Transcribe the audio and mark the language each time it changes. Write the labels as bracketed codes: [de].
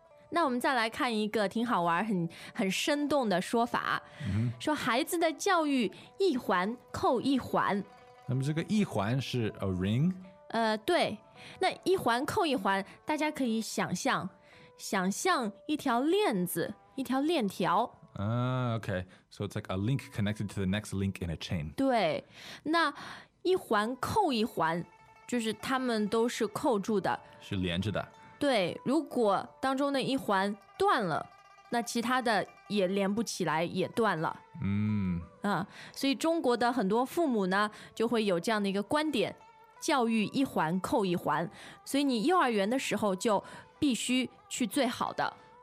[zh] 那我们再来看一个挺好玩、很生动的说法，说孩子的教育一环扣一环。那么这个一环是 a ring？对。那一环扣一环，大家可以想象一条链子，一条链条。 [en] Okay, so it's like a link connected to the next link in a chain. [zh] 对，那一环扣一环，就是他们都是扣住的，是连着的。对，如果当中的一环断了，那其他的也连不起来，也断了。所以中国的很多父母呢，就会有这样的一个观点，教育一环扣一环，所以你幼儿园的时候就必须去最好的。